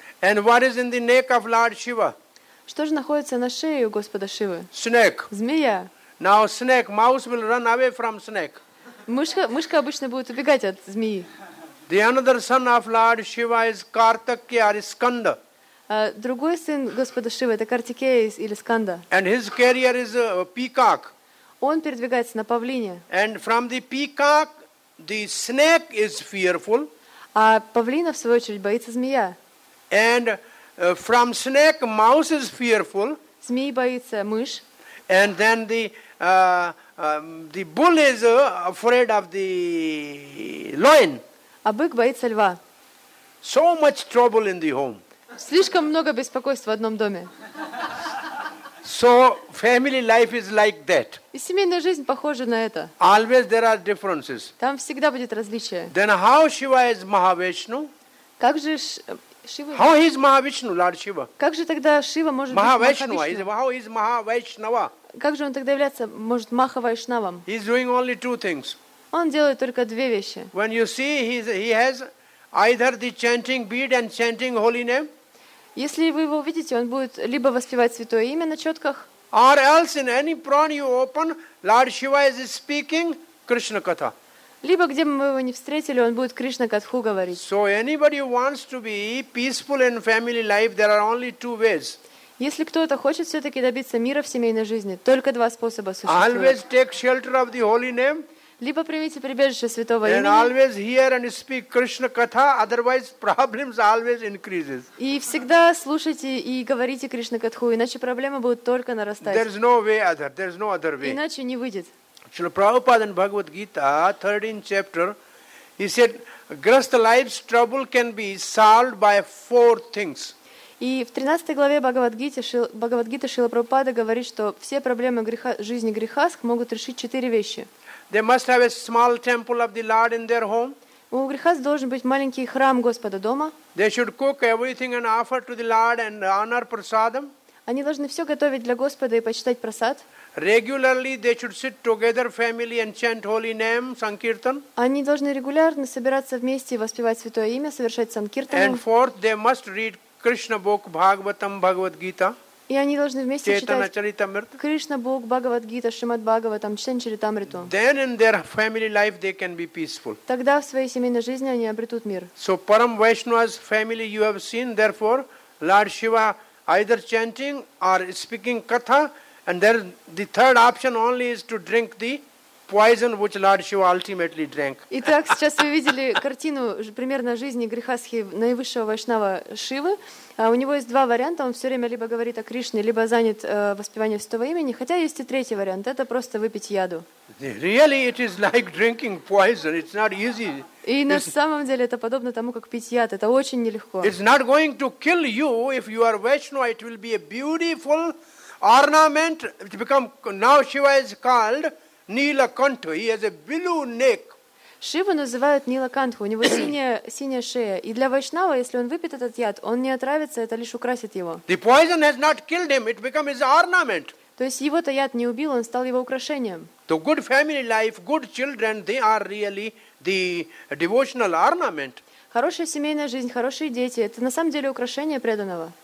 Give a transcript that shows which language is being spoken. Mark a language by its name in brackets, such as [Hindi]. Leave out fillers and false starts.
[English] And what is in the neck of Lord Shiva? [Russian] Что же находится на шее у Господа Шивы? [English] Snake. [Russian] Змея. [English] Now snake, mouse will run away from snake. [Russian] Мышка обычно будет убегать от змеи. [English] The another son of Lord Shiva is Kartikeya or Skanda. [Russian] Другой сын Господа Шивы это Картикея или Сканда. [English] And his carrier is a peacock. [Russian] Он передвигается на павлине. [English] And from the peacock, the snake is fearful. [Russian] А павлина в свою очередь боится змея. [English] And from snake, mouse is fearful. [Russian] Змеи боится мышь. [English] And then the bull is afraid of the lion. [Russian] А бык боится льва. [English] So much trouble in the home. [Russian] Слишком много беспокойств в одном доме. [English] So family life is like that. [Russian] И семейная жизнь похожа на это. [English] Always there are differences. [Russian] Там всегда будет различие. [English] Then how Shiva is Mahavishnu? [Russian] Как же Шива? [English] How is Mahavishnu, Lord Shiva? [Russian] Как же тогда Шива может [English] Mahavishnu? [Russian] Быть Mahavishnu? [English] How is Mahavishnava? [Russian] Как же он тогда является, может, Махавайшнавом? [English] He is doing only two things. [Russian] Он делает только две вещи. [English] When you see he has either the chanting bead and chanting holy name. [Russian] Если вы его увидите, он будет либо воспевать святое имя на четках. [English] Or else in any prana you open, Lord Shiva is speaking Krishna katha. [Russian] Либо где бы мы его не встретили, он будет Кришна катху говорить. [English] So anybody who wants to be peaceful in family life, there are only two ways. [Russian] Если кто-то хочет все-таки добиться мира в семейной жизни, только два способа существуют. [English] Always take shelter of the holy name. [Russian] Либо примите прибежище святого [English] and [Russian] имени. [English] And always hear and speak Krishna katha, otherwise problems always increases. [Russian] И всегда слушайте и говорите Кришна катху, иначе проблемы будут только нарастать. [English] There's no way other. There's no other way. [Russian] Иначе не выйдет. [English] Шрила Прабхупада в Бхагавад Гита, 13 chapter, he said, grasta life's trouble can be solved by four things. [Russian] И в 13 главе Бхагавад Гита Шрила Прабхупада говорит, что все проблемы греха, жизни грехаст могут решить четыре вещи. [English] They must have a small temple of the Lord in their home. [Russian] У грехаст должен быть маленький храм Господа дома. [English] They should cook everything and offer to the Lord and honor prasadam. [Russian] Они должны все готовить для Господа и почитать прасад. [English] Regularly they should sit together, family, and chant holy name, sankirtan. [Russian] Они должны регулярно собираться вместе и воспевать святое имя, совершать санкиртан. [English] And fourth, they must read Krishna book, Bhagavatam, Bhagavad Gita. [Russian] И они должны вместе [English] Chaitana, [Russian] читать Кришна Бог, Бхагавад Гита, Шримад Бхагаватам, Чтен Чаритамриту. [English] Then in their family life they can be peaceful. [Russian] Тогда в своей семейной жизни они обретут мир. [English] So Param Vaishnava's family you have seen, therefore Lord Shiva either chanting or speaking katha, and there the third option only is to drink the poison which Lord Shiva ultimately drank. [Russian] Итак, сейчас вы видели картину примерно жизни Грихасхи наивысшего вайшнава Шивы. У него есть два варианта. Он все время либо говорит о Кришне, либо занят воспеванием святого имени. Хотя есть и третий вариант. Это просто выпить яду. [English] Really, it is like drinking poison. It's not easy. [Russian] И на самом деле это подобно тому, как пить яд. Это очень нелегко. [English] It's not going to kill you if you are Vaishnava. It will be a beautiful ornament to become. Now Shiva is called Neelakanta. He has a blue neck. [Russian] Шиву называют Нилаканта. У него синяя шея. И для вайшнава, если он выпьет этот яд, он не отравится, это лишь украсит его. [English] The poison has not killed him. It became his ornament. [Russian] То есть его-то яд не убил, он стал его украшением. [English] The good family life, good children, they are really the devotional ornament. [Russian] Хорошая семейная жизнь, хорошие дети – это на самом деле украшение преданного.